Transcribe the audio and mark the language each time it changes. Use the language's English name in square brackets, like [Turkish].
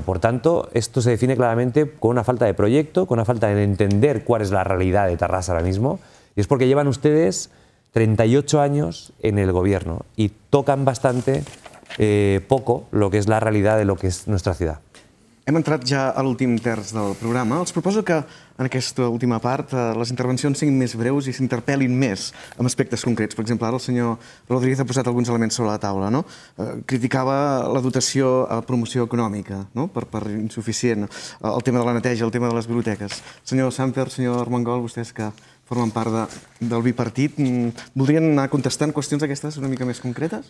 [Spanish] Por tanto, esto se define claramente con una falta de proyecto, con una falta de entender cuál es la realidad de Tarrasa ahora mismo. Y es porque llevan ustedes 38 años en el gobierno y tocan bastante poco lo que es la realidad de lo que es nuestra ciudad. [Catalan] Hem entrat ja a l'últim terç del programa. Els proposo que en aquesta última part les intervencions siguin més breus i s'interpel·lin més amb aspectes concrets. Per exemple, ara el senyor Rodríguez ha posat alguns elements sobre la taula, no? Criticava la dotació a promoció econòmica, no? Per insuficient. El tema de la neteja, el tema de les biblioteques. Senyor Samper, senyor Armengol, vostès que formen part del bipartit, voldrien anar contestant qüestions aquestes una mica més concretes?